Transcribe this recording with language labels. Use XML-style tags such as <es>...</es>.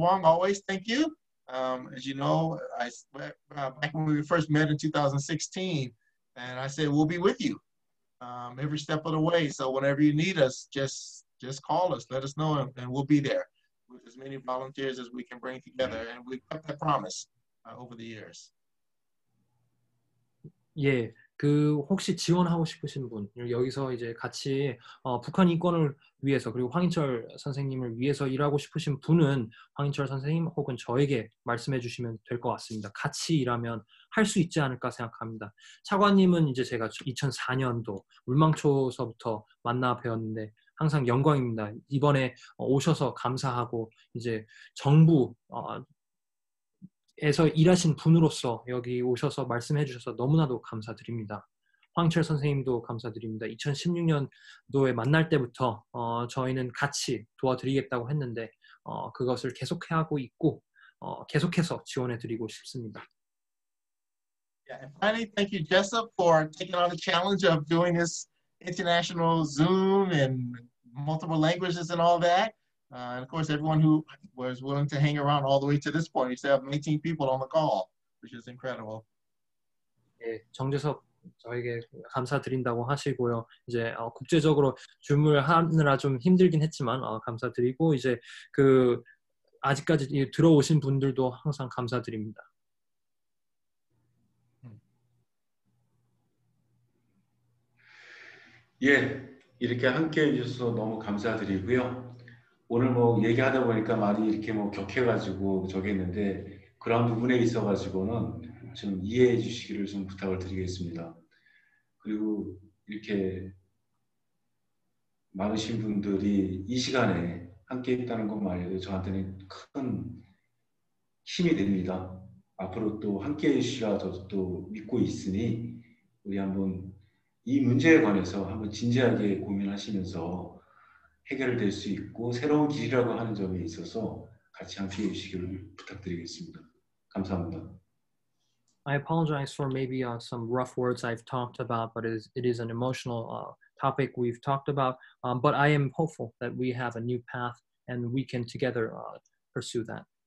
<en>Wong, always thank you. As you know, back when we first met in 2016, and I said, we'll be with you every step of the way. So whenever you need us, just call us, let us know, and we'll be there with as many volunteers as we can bring together. And we kept that promise over the years. Yeah.</en> <ko>그 혹시 지원하고 싶으신 분 여기서 이제 같이 북한 인권을 위해서 그리고 황인철 선생님을 위해서 일하고 싶으신 분은 황인철 선생님 혹은 저에게 말씀해 주시면 될 것 같습니다. 같이 일하면 할 수 있지 않을까 생각합니다. 차관님은 이제 제가 2004년도 물망초서부터 만나 뵈었는데 항상 영광입니다. 이번에 오셔서 감사하고 이제 정부 에서 일하신 분으로서 여기 오셔서 말씀해 주셔서 너무나도 감사드립니다. 황철 선생님도 감사드립니다. 2016년도에 만날 때부터 저희는 같이 도와드리겠다고 했는데 그것을 계속하고 있고 계속해서 지원해 드리고 싶습니다.</ko> <en>Yeah, and finally, thank you, Jessup, for taking on the challenge of doing this international Zoom and multiple languages and all that. And of course, everyone who was willing to hang around all the way to this point, you still have 18 people on the call, which is incredible.</en> <ko>예, 정재석 저에게 감사드린다고 하시고요. 이제 국제적으로 줌을 하느라 좀 힘들긴 했지만 감사드리고 이제 그 아직까지 들어오신 분들도 항상 감사드립니다. Hmm. 예, 이렇게 함께해 주셔서 너무 감사드리고요. 오늘 뭐 얘기하다 보니까 말이 이렇게 뭐 격해가지고 저기 했는데 그런 부분에 있어가지고는 좀 이해해 주시기를 좀 부탁을 드리겠습니다. 그리고 이렇게 많으신 분들이 이 시간에 함께 있다는 것만 해도 저한테는 큰 힘이 됩니다. 앞으로 또 함께 해주시라 저도 또 믿고 있으니 우리 한번 이 문제에 관해서 한번 진지하게 고민하시면서 해결될 수 있고 새로운 길이라고 하는 점에 있어서 같이 함께 해주시기를 부탁드리겠습니다. 감사합니다.</ko> <en>I apologize for maybe some rough words I've talked about, but it is an emotional topic we've talked about. But I am hopeful that we have a new path and we can together pursue that.</en>